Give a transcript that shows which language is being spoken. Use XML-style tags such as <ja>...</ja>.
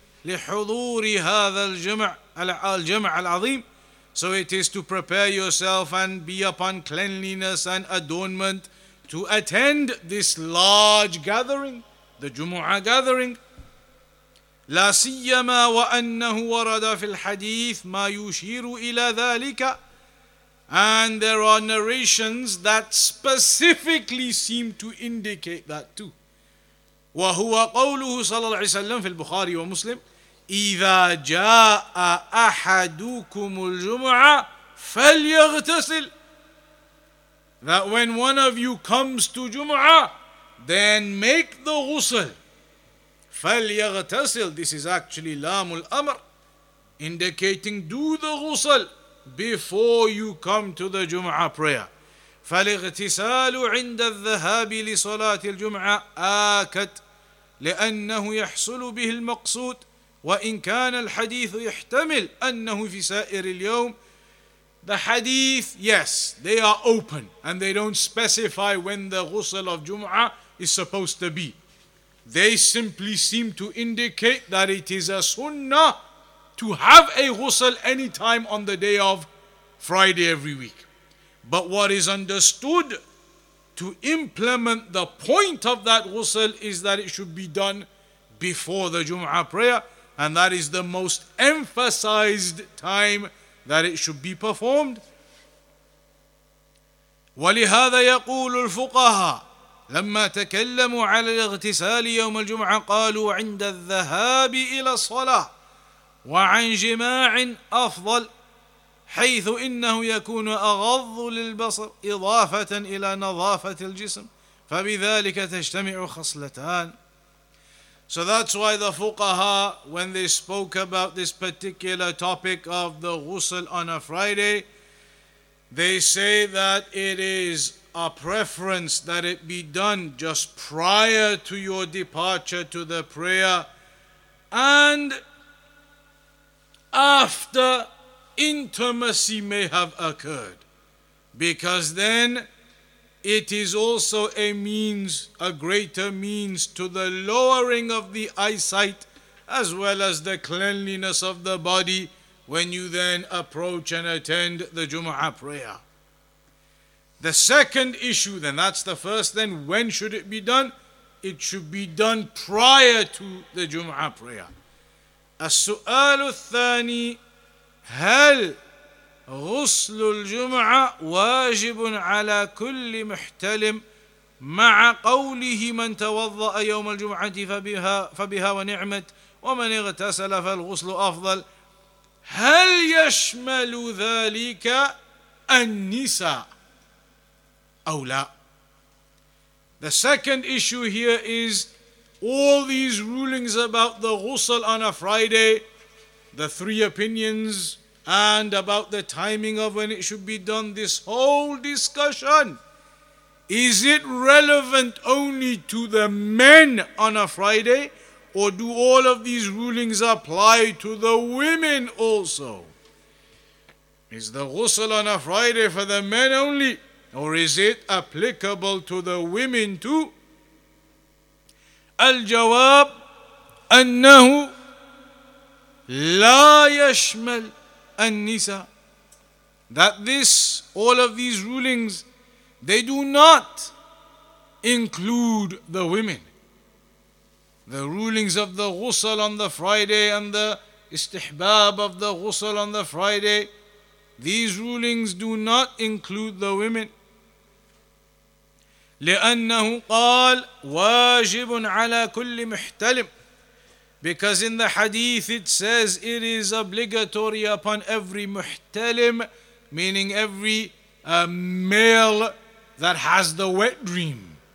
<ar>لحضور هذا الجمع الجمع العظيم.</ar> <en>So it is to prepare yourself and be upon cleanliness and adornment to attend this large gathering, the Jumu'ah gathering.</en> <ar>لا سيما وأنه ورد في الحديث ما يشير إلى ذلك.</ar> <en>And there are narrations that specifically seem to indicate that too.</en> <ar>وهو قوله صلى الله عليه وسلم في البخاري ومسلم إذا جاء أحدكم الجمعة فليغتسل.</ar> <en>That when one of you comes to Jumu'ah, then make the ghusl.</en> <ar>فليغتسل.</ar> <en>This is actually</en> <ar>لام الأمر,</ar> <en>indicating do the ghusl before you come to the Jumu'ah prayer.</en> <ar>فالاغتسال عند الذهاب لصلاة الجمعة آكد لأنه يحصل به المقصود وإن كان الحديث يحتمل أنه في سائر اليوم.</ar> <en>The hadith, yes, they are open and they don't specify when the ghusl of Jumu'ah is supposed to be. They simply seem to indicate that it is a sunnah to have a ghusl anytime on the day of Friday every week. But what is understood to implement the point of that ghusl is that it should be done before the Jumu'ah prayer, and that is the most emphasized time that it should be performed.</en> <ar>ولهذا يقول الفقهاء لما تكلموا على الاغتسال يوم الجمعة قالوا عند الذهاب إلى الصلاة وعن جماع أفضل حيث إنه يكون أغض للبصر إضافة إلى نظافة الجسم فبذلك تجتمع خصلتان.</ar> <en>So that's why the fuqaha, when they spoke about this particular topic of the ghusl on a Friday, they say that it is a preference that it be done just prior to your departure to the prayer and after intimacy may have occurred, because then it is also a means, a greater means to the lowering of the eyesight as well as the cleanliness of the body when you then approach and attend the Jumu'ah prayer. The second issue then, that's the first then, when should it be done? It should be done prior to the Jumu'ah prayer.</en> <ar>السؤال الثاني هل غسل الجمعة واجب على كل محتلم مع قوله من توضأ يوم الجمعة فبها ونعمت ومن اغتسل فالغسل أفضل هل يشمل ذلك النساء أو لا.</ar> <en>The second issue here is all these rulings about the ghusl on a Friday, the three opinions, and about the timing of when it should be done, this whole discussion, is it relevant only to the men on a Friday, or do all of these rulings apply to the women also? Is the ghusl on a Friday for the men only, or is it applicable to the women too?</en> <ar>الجواب أنه لا يشمل النساء.</ar> <en>That this, all of these rulings, they do not include the women. The rulings of the ghusl on the Friday and the istihbab of the ghusl on the Friday, these rulings do not include the women.</en> <ar>لأنه قال واجب على كل محتلم.</ar> <en>Because in the hadith it says it is obligatory upon every muhtalim, meaning every male that has the wet dream.</en>